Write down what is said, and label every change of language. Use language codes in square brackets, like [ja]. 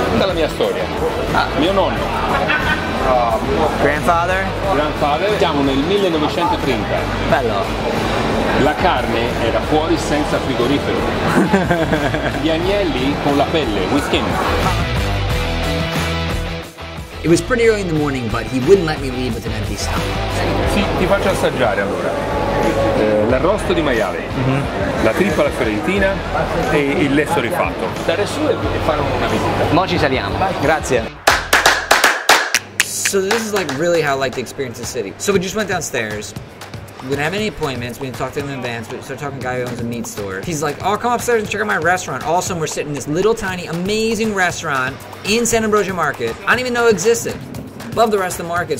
[it] Tutta la mia storia. Ah. Mio nonno. [en] Grandfather? [it] Grandfather, siamo nel 1930. Bello. La carne era fuori senza frigorifero. Gli agnelli con la pelle, [en] with skin. It was pretty early in the morning, but he wouldn't let me leave with an empty stomach. [it] Sì, ti faccio assaggiare allora. L'arrosto di maiale, la trippa alla fiorentina e il lesso rifatto. Stare su e fare una visita. Mo ci saliamo. Grazie. [en] So this is like really how I like to experience the city. So we just went downstairs. We didn't have any appointments. We didn't talk to him in advance. We started talking to a guy who owns a meat store. He's like, oh, come upstairs and check out my restaurant. Also, we're sitting in this little tiny, amazing restaurant in Sant'Ambrogio Market. I didn't even know it existed. Above the rest of the market.